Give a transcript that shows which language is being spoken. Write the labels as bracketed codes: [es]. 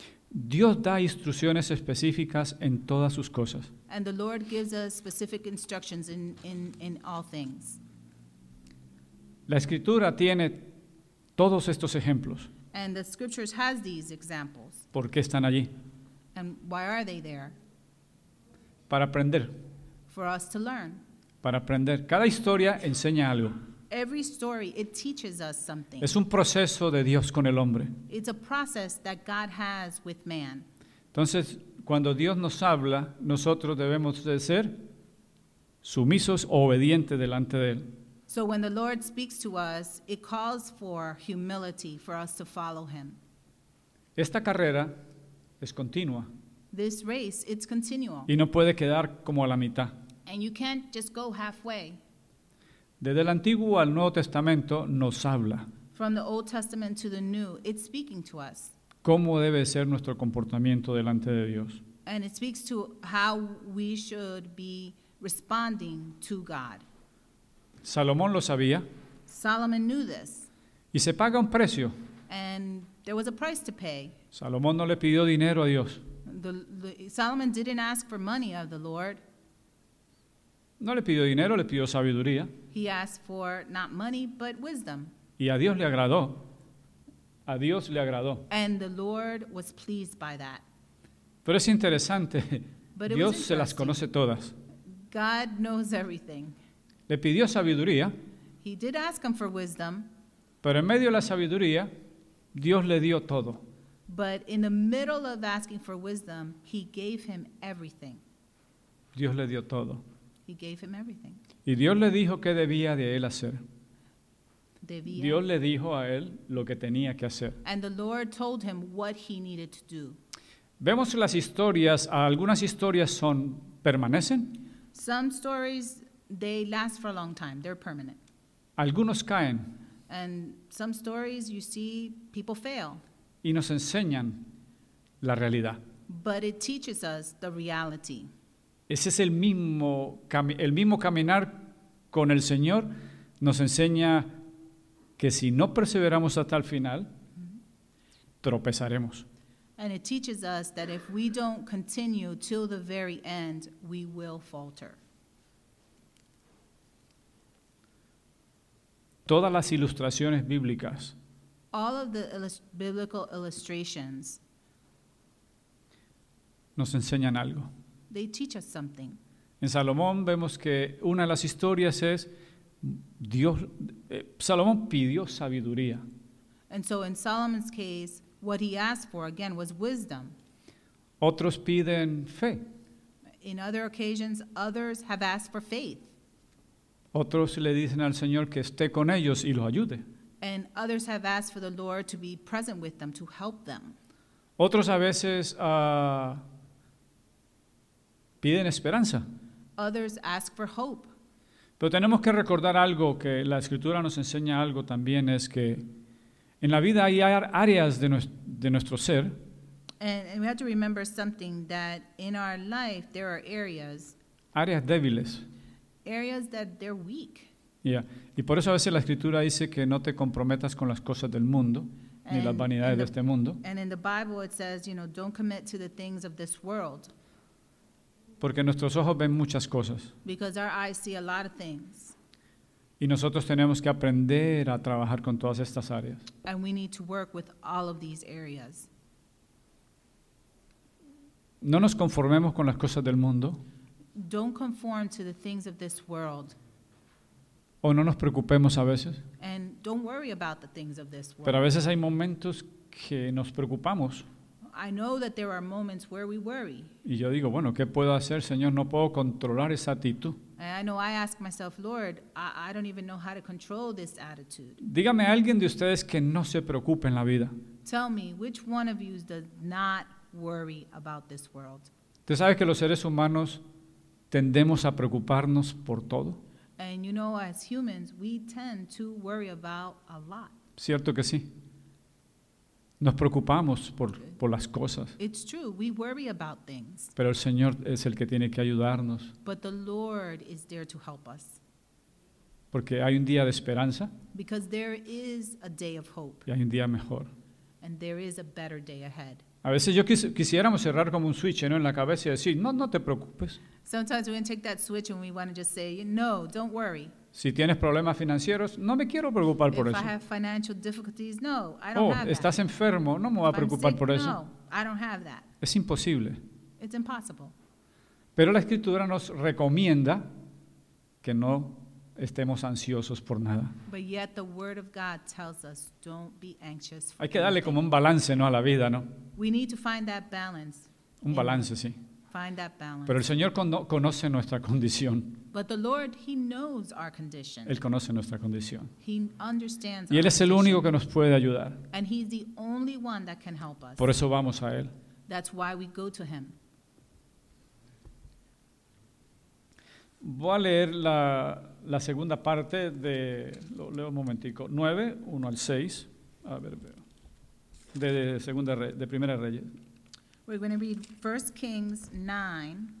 [es] Dios da instrucciones específicas en todas sus cosas. [en] And the Lord gives us specific instructions in all things. [es] La Escritura tiene todos estos ejemplos. [en] And the Scriptures has these examples. [es] ¿Por qué están allí? [en] And why are they there? [es] Para aprender. [en] For us to learn. [es] Para aprender. Cada historia enseña algo. [en] Every story, it teaches us something. [es] Es un proceso de Dios con el hombre. [en] It's a process that God has with man. [es] Entonces, cuando Dios nos habla, nosotros debemos de ser sumisos o obedientes delante de Él. [en] So when the Lord speaks to us, it calls for humility for us to follow Him. [es] Esta carrera es continua. [en] This race, it's continual. [es] Y no puede quedar como a la mitad. [en] And you can't just go halfway. [es] Desde el Antiguo al Nuevo Testamento nos habla. [en] From the Old Testament to the New, it's speaking to us. [es] Cómo debe ser nuestro comportamiento delante de Dios. [en] And it speaks to how we should be responding to God. [es] Salomón lo sabía. [en] Solomon knew this. [es] Y se paga un precio. [en] And there was a price to pay. [es] Salomón no le pidió dinero a Dios. [en] Solomon didn't ask for money of the Lord. [es] No le pidió dinero, le pidió sabiduría. [en] He asked for not money, but wisdom. [es] Y a Dios le agradó. A Dios le agradó. [en] And the Lord was pleased by that. [es] Pero es interesante. Dios se las conoce todas. [en] God knows everything. [es] Le pidió sabiduría. [en] He did ask him for wisdom. [es] Pero en medio de la sabiduría, Dios le dio todo. [en] But in the middle of asking for wisdom, he gave him everything. [es] Dios le dio todo. [en] He gave him everything. [es] Y Dios le dijo qué debía de él hacer. Debía. Dios le dijo a él lo que tenía que hacer. [en] And the Lord told him what he needed to do. [es] Vemos las historias, algunas historias son, permanecen. [en] Some stories, they last for a long time. They're permanent. [es] Algunos caen. [en] And some stories, you see, people fail. [es] Y nos enseñan la realidad. [en] But it teaches us the reality. [es] Ese es el mismo caminar con el Señor. Nos enseña que si no perseveramos hasta el final, tropezaremos. [en] And it teaches us that if we don't continue till the very end, we will falter. [es] Todas las ilustraciones bíblicas. [en] All of the biblical illustrations [es] nos enseñan algo. [en] They teach us something. [es] En Salomón vemos que una de las historias es Dios. Salomón pidió sabiduría. [en] And so in Solomon's case, what he asked for again was wisdom. [es] Otros piden fe. [en] In other occasions, others have asked for faith. [es] Otros le dicen al Señor que esté con ellos y los ayude. [en] And others have asked for the Lord to be present with them, to help them. [es] Otros a veces piden esperanza. [en] Others ask for hope. [es] Pero tenemos que recordar algo, que la Escritura nos enseña algo también, es que en la vida hay áreas de nuestro ser. [en] And we have to remember something, that in our life there are areas. [es] Áreas débiles. [en] Areas that they're weak. Yeah. [es] Y por eso a veces la Escritura dice que no te comprometas con las cosas del mundo, [en] and [es] ni las vanidades de este mundo. [en] And in the Bible it says, you know, don't commit to the things of this world. [es] Porque nuestros ojos ven muchas cosas. [en] Because our eyes see a lot of things. [es] Y nosotros tenemos que aprender a trabajar con todas estas áreas. [en] And we need to work with all of these areas. [es] No nos conformemos con las cosas del mundo. [en] Don't conform to the things of this world. [es] O no nos preocupemos a veces. [en] And don't worry about the things of this world. [es] Pero a veces hay momentos que nos preocupamos. [en] I know that there are moments where we worry. [es] Y yo digo, bueno, ¿qué puedo hacer, Señor? No puedo controlar esa actitud. [en] And I know I ask myself, Lord, I don't even know how to control this attitude. [es] Dígame a alguien de ustedes que no se preocupe en la vida. [en] Tell me, which one of you does not worry about this world? [es] ¿Usted sabe que los seres humanos tendemos a preocuparnos por todo? [en] And you know, as humans, we tend to worry about a lot. [es] Cierto que sí. Nos preocupamos por las cosas. [en] It's true, we worry about things. [es] Pero el Señor es el que tiene que ayudarnos. [en] But the Lord is there to help us. [es] Porque hay un día de esperanza. [en] Because there is a day of hope. [es] Y hay un día mejor. [en] And there is a better day ahead. [es] A veces yo quisiéramos cerrar como un switch, ¿no?, en la cabeza y decir, no, no te preocupes. [en] Sometimes we take that switch and we want to just say, no, don't worry. [es] Si tienes problemas financieros, no me quiero preocupar por eso. [en] If I have financial difficulties, no, I don't have that. [es] Oh, estás enfermo, no me voy a preocupar por eso. [en] No, I don't have that. [es] Es imposible. [en] It's impossible. [es] Pero la Escritura nos recomienda que no estemos ansiosos por nada. [en] But yet the Word of God tells us, don't be anxious. [es] Hay que darle como un balance, ¿no?, a la vida, ¿no? [en] We need to find that balance. [es] Un balance, sí. [en] Find that balance. [es] Pero el Señor conoce nuestra condición. [en] But the Lord, He knows our condition. [es] Él conoce nuestra condición. [en] He understands [es] y Él [en] our [es] es el [en] condition. [es] Único que nos puede ayudar. [en] And He's the only one that can help us. [es] Por eso vamos a Él. [en] That's why we go to Him. [es] Voy a leer la segunda parte de, lo leo un momentico, 9, 1 al 6. A ver, veo. De Primera Reyes. [en] We're going to read 1 Kings 9.